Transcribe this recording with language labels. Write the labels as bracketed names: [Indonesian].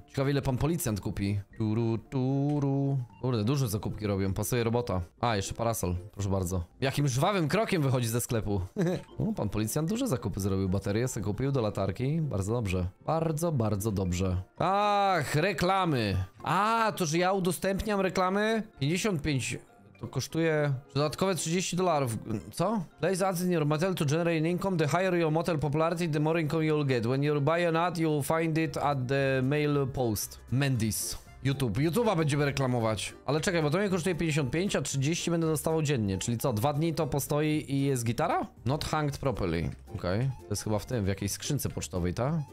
[Polish] Ciekawe, ile pan policjant kupi. Turu, turu. Kurde, duże zakupki robią. Pasuje robota. A, jeszcze parasol. Proszę bardzo. Jakim żwawym krokiem wychodzi ze sklepu. O, pan policjant duże zakupy zrobił. Baterie sobie kupił do latarki. Bardzo dobrze. Bardzo, bardzo dobrze. Ach, reklamy. A, to że ja udostępniam reklamy? 55... To kosztuje dodatkowe $30. Co? [English] Place ads in your motel to generate income. The higher your motel popularity, the more income you'll get. When you buy an ad, you'll find it at the mail post. Mendis. YouTube. [Polish] YouTube'a będziemy reklamować. Ale czekaj, bo to mnie kosztuje 55, a 30 będę dostawał dziennie. Czyli co, dwa dni to postoi i jest gitara? [English] Not hanged properly. [Polish] Okej. To jest chyba w tym, w jakiejś skrzynce pocztowej, ta?